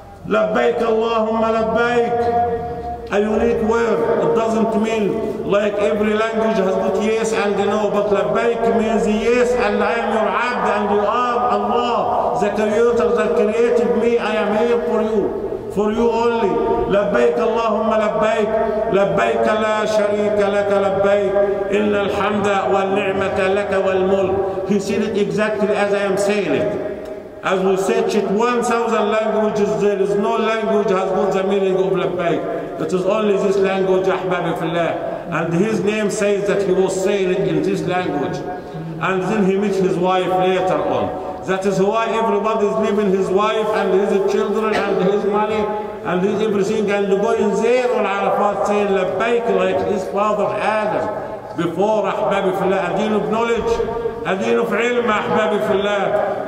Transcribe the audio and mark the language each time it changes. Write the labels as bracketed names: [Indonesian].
[English] Labbaik Allahumma labbaik. A unique word. It doesn't mean like every language has got yes and no, but labbaik means yes, and I am your abd, and you are Allah, the creator that created me. I am here for you. For you only. [Arabic] لبيك اللهم لبيك لبيك لا شريك لك لبيك إن الحمد والنعمة لك والملك. [English] He said it exactly as I am saying it. As we search it 1,000 languages, there is no language has got the meaning of لبيك. It is only this language, [Arabic] أحبابي في الله. [English] And his name says that he was saying it in this language. And then he met his wife later on. That is why everybody is leaving his wife and his children and his money and his everything and going there on Arafat saying Labbaik like his father Adam before Ahbabi Fillah, a deen of knowledge, a deen of ilm, Ahbabi Fillah.